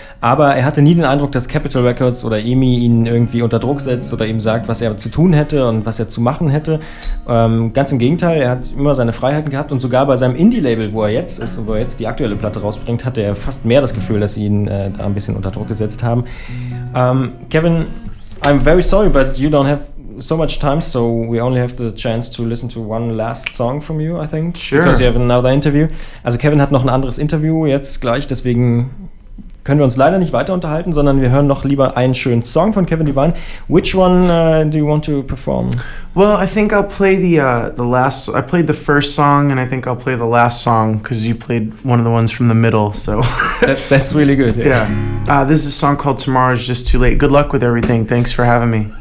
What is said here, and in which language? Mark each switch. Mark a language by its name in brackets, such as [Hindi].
[German] Aber er hatte nie den Eindruck, dass Capitol Records oder EMI ihn irgendwie unter Druck setzt oder ihm sagt, was er zu tun hätte und was er zu machen hätte. Ganz im Gegenteil, er hat immer seine Freiheiten gehabt und sogar bei seinem Indie-Label, wo er jetzt ist und wo er jetzt die aktuelle Platte rausbringt, hatte er fast mehr das Gefühl, dass sie ihn da ein bisschen unter Druck gesetzt haben. [English] Kevin, I'm very sorry, but you don't have so much time, so we only have the chance to listen to one last song from you, I think. Sure. Because you have another interview. [German] Also Kevin hat noch ein anderes Interview jetzt gleich, deswegen können wir uns leider nicht weiter unterhalten, sondern wir hören noch lieber einen schönen Song von Kevin Devine. [English] Which one do you want to perform? Well, I think I'll play I played the first song, and I think I'll play the last song, because you played one of the ones from the middle, so. That's really good. Yeah. This is a song called Tomorrow's Just Too Late. Good luck with everything. Thanks for having me.